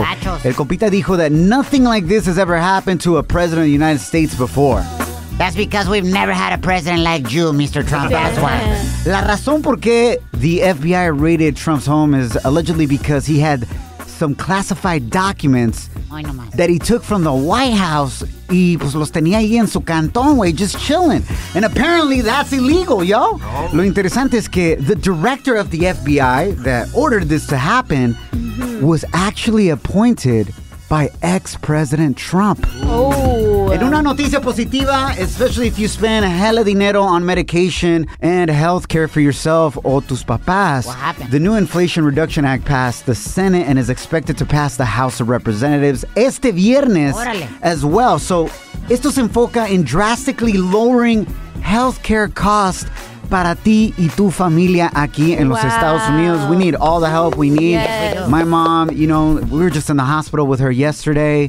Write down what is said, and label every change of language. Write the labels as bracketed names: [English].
[Spanish] El compita dijo [English] that nothing like this has ever happened to a president of the United States before. That's because we've never had a president like you, Mr. Trump. That's why. [Spanish] La razón por qué [English] the FBI raided Trump's home is allegedly because he had some classified documents that he took from the White House. [Spanish] Y pues los tenía ahí en su cantón, güey, [English] just chilling. And apparently that's illegal, yo. No. [Spanish] Lo interesante es que [English] the director of the FBI that ordered this to happen was actually appointed by ex-president Trump. Oh. [Spanish] En una noticia positiva, [English] especially if you spend a hella dinero on medication and healthcare for yourself [Spanish] o tus papás. [English] What happened? The new Inflation Reduction Act passed the Senate and is expected to pass the House of Representatives [Spanish] este viernes. Órale. [English] As well. [Spanish] So, esto se enfoca en [English] drastically lowering healthcare costs [Spanish] para ti y tu familia aquí en los Estados Unidos. [English] We need all the help we need. Yes. My mom, you know, we were just in the hospital with her yesterday.